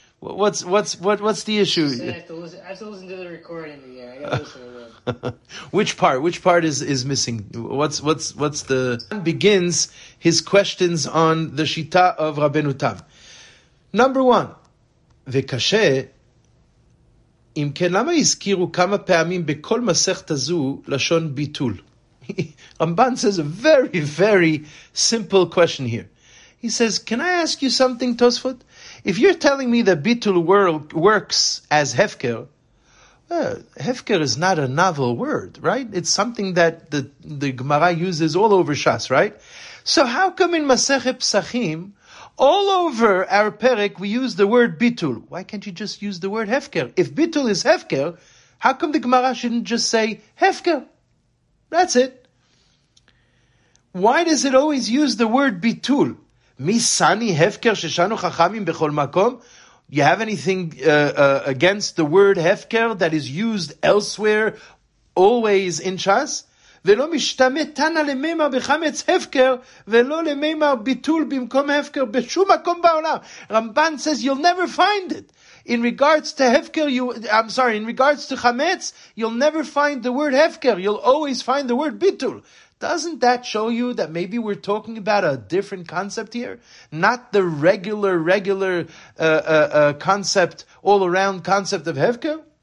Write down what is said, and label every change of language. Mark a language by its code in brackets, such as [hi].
[en] What's the issue? I have to listen to the recording again. I got to listen to it. Which part? Which part is missing? What's the... begins his questions on the Shita of Rabbeinu Tam. Number one. V'kashe... [he] אם כן, למה הזכירו כמה פעמים בכל מסכת הזו לשון ביטול? [en] Ramban says a very, very simple question here. He says, can I ask you something, Tosfot? If you're telling me that ביטול works as Hefker, well, Hefker is not a novel word, right? It's something that the Gemara uses all over Shas, right? So how come in Masechet Psachim, all over our perek, we use the word bitul? Why can't you just use the word hefker? If bitul is hefker, how come the Gemara shouldn't just say hefker? That's it. Why does it always use the word bitul? [he] Misani hefker sheshanu chachamim bechol makom? [en] You have anything against the word hefker that is used elsewhere, always in Shas? [he] ולא משתמת תנא למימר בחמץ הפקר, ולא למימר ביטול במקום הפקר בשום מקום בעולם. [en] Ramban says, you'll never find it. In regards to hefker, in regards to chametz, you'll never find the word hefker. You'll always find the word bitul. Doesn't that show you that maybe we're talking about a different concept here? Not the regular concept, all around concept of hefker?